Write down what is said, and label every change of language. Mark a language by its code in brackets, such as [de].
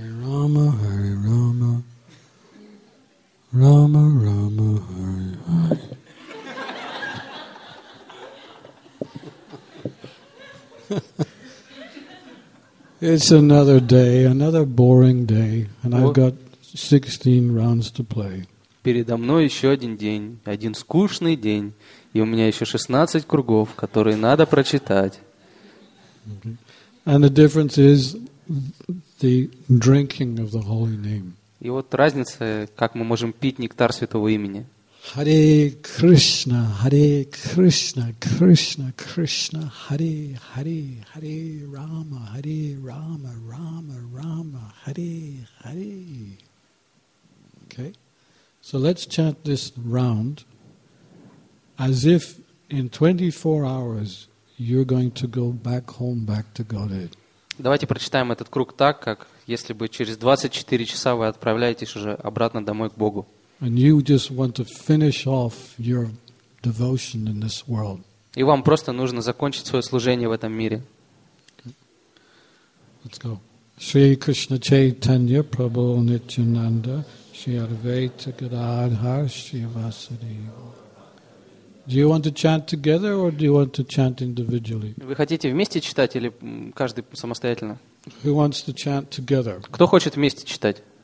[sa] Hare Rama, Hare Rama. Rama, Rama, Hare Hare. [en] It's another day, another boring day, and I've got 16 rounds to play. [ru] Передо мной еще один день, один скучный день, и у меня еще 16 кругов, которые надо прочитать. [en] And the difference is the drinking of the holy name. [ru] И вот разница, как мы можем пить нектар святого имени. [sa] Hare Krishna, Hare Krishna, Krishna Krishna, Hare Hare, Hare Rama, Hare Rama, Rama Rama, Hare Hare. [en] Okay, so let's chant this round as if in 24 hours you're going to go back home, back to Godhead. [ru] Давайте прочитаем этот круг так, как если бы через 24 часа вы отправляетесь уже обратно домой к Богу. [en] And you just want to finish off your devotion in this world. [ru] И вам просто нужно закончить своё служение в этом мире. [en] Let's go. [sa] Shri Krishna Chaitanya Prabhu Nityananda Shri Advaita Gadadhar Srivastava. [en] Do you want to chant together or do you want to chant individually? [ru] Вы хотите вместе читать или каждый самостоятельно? [en] Who wants to chant together? [ru] Кто хочет вместе читать?